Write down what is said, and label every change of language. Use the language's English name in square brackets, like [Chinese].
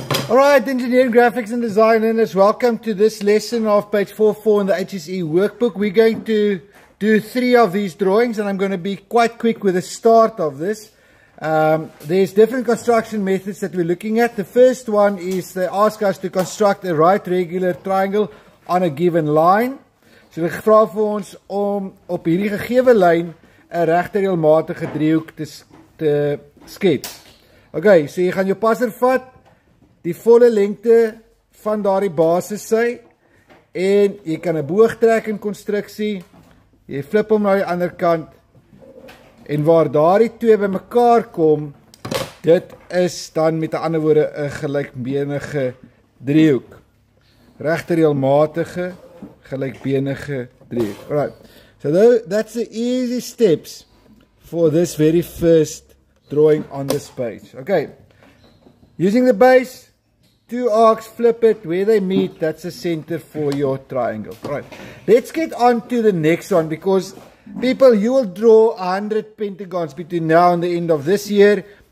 [English] All right, engineering, graphics and design learners, welcome to this lesson of page 44 in the HSE workbook. We're going to do three of these drawings and I'm going to be quite quick with the start of this. There's different construction methods that we're looking at. The first one is they ask us to construct a right regular triangle on a given line. So they [Afrikaans] vra vir ons om op hierdie gegewe lyn 'n regtereelmatige driehoek te skep. Okay, so jy gaan jou passer vat, die volle lengte van daardie basis sy en jy kan 'n boog trek in konstruksie. Jy flip hom na die ander kant en waar daardie twee bymekaar kom, dit is dan met 'n ander woorde 'n gelykbenige driehoek. Regtereelmatige gelykbenige driehoek. Alright. [English] So that's the easy steps for this very first drawing on this page. Okay. Using the base, two arcs, flip it where they meet. That's the center for your triangle. Alright. Let's get on to the next one because people, you will draw 100 pentagons between now and the end of this year.